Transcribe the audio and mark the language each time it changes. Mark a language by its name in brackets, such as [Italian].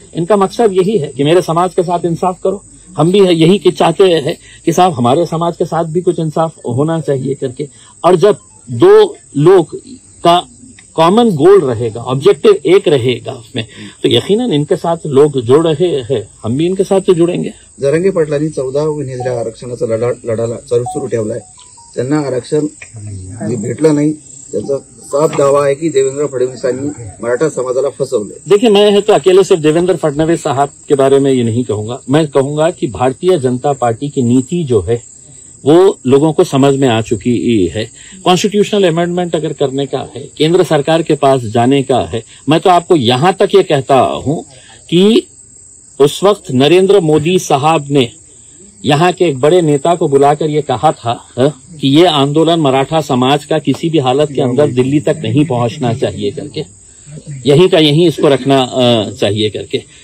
[Hindi] इनका मकसद यही है कि मेरे समाज के साथ इंसाफ करो। हम भी यही कि चाहते हैं कि साहब हमारे समाज के साथ भी कुछ इंसाफ होना चाहिए करके। और जब दो लोग का कॉमन गोल रहेगा, ऑब्जेक्टिव एक रहेगा उसमें, तो यकीनन इनके साथ लोग जुड़ रहे हैं, हम भी इनके साथ जुड़ेंगे। [Marathi] जरंगे पाटलांनी 14 विधेयक आरक्षण लड़ाला चालू सुरू ठेवला आहे, त्यांना आरक्षण भेटलं नाही, [Hindi] साफ दावा है कि [Marathi] देवेंद्र फडणवीस मराठा समाजाला फसवले। [Hindi] देखिए, मैं है तो अकेले सिर्फ देवेंद्र फडणवीस साहब के बारे में ये नहीं कहूंगा, मैं कहूंगा कि भारतीय जनता पार्टी की नीति जो है वो लोगों को समझ में आ चुकी है। कॉन्स्टिट्यूशनल अमेंडमेंट अगर करने का है, केंद्र सरकार के पास जाने का है, मैं तो आपको यहां तक ये कहता हूं कि उस वक्त नरेंद्र मोदी साहब ने यहां के एक बड़े नेता को बुलाकर ये कहा था कि ये आंदोलन मराठा समाज का किसी भी हालत के अंदर दिल्ली तक नहीं पहुंचना चाहिए करके, यहीं का यहीं इसको रखना चाहिए करके।